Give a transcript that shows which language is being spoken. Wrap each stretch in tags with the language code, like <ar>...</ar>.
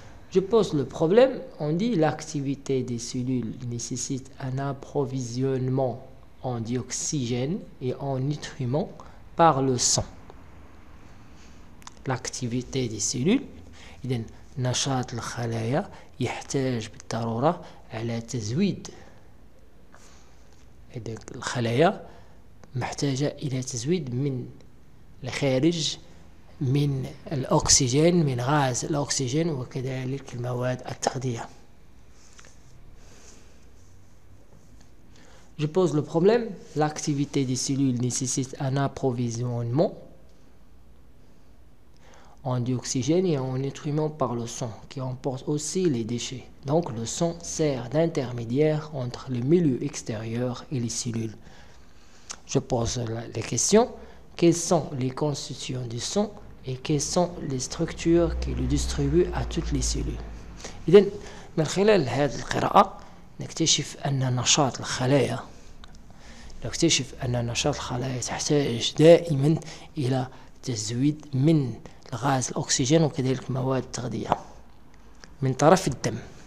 <fr>Je pose le problème, on dit l'activité des cellules nécessite un approvisionnement en dioxygène et en nutriments par le sang. L'activité des cellules,</fr> <ar>إذن نشاط الخلايا يحتاج بالضرورة على تزويد. إذن الخلايا محتاجة إلى تزويد من الخارج من الأكسجين من غاز الأكسجين وكذلك المواد التغذية.</ar> <fr>Je pose le problème. L'activité des cellules nécessite un approvisionnement en dioxygène et en nutriments par le sang qui emporte aussi les déchets. Donc le sang sert d'intermédiaire entre le milieu extérieur et les cellules. Je pose la question. Quelles sont les constituants du sang? Et quelles sont les structures qui le distribuent à toutes les cellules. Et donc,</fr> <ar>من خلال هذه القراءة نكتشف أن نشاط الخلايا نكتشف أن نشاط الخلايا تحتاج دائما إلى تزويد من الغاز الأكسجين وكذلك مواد تغذية من طرف الدم.</ar>